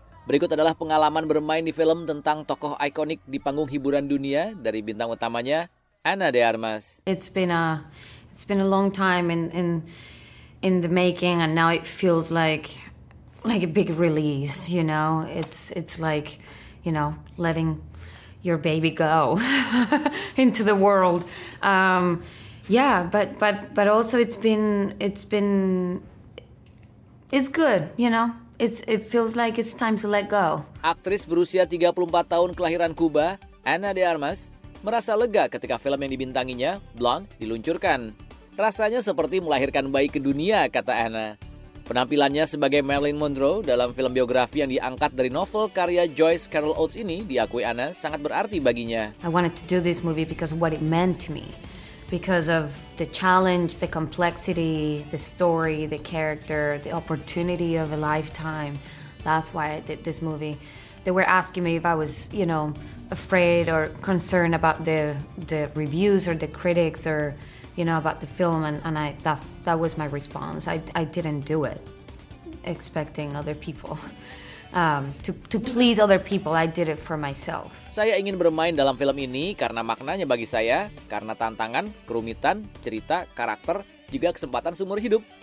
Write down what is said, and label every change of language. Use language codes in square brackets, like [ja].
[id] Berikut adalah pengalaman bermain di film tentang tokoh ikonik di panggung hiburan dunia dari bintang utamanya Ana de Armas. [en] It's been a long time in the making and now it feels like a big release, you know. It's like, you know, letting your baby go into the world. But also it's been it's good, you know. It feels like it's time to let go. [id] Aktris berusia 34 tahun kelahiran Kuba, Ana de Armas, merasa lega ketika film yang dibintanginya, Blonde, diluncurkan. Rasanya seperti melahirkan bayi ke dunia, kata Ana. Penampilannya sebagai Marilyn Monroe dalam film biografi yang diangkat dari novel karya Joyce Carol Oates ini, diakui Ana, sangat berarti baginya. [en] I wanted to do this movie because of what it meant to me. Because of the challenge, the complexity, the story, the character, the opportunity of a lifetime. That's why I did this movie. They were asking me if I was, you know, afraid or concerned about the reviews or the critics or, you know, about the film. And I that was my response. I didn't do it expecting other people. To please other people, I did it for myself. [id] Saya ingin bermain dalam film ini karena maknanya bagi saya, karena tantangan, kerumitan, cerita, karakter, juga kesempatan seumur hidup.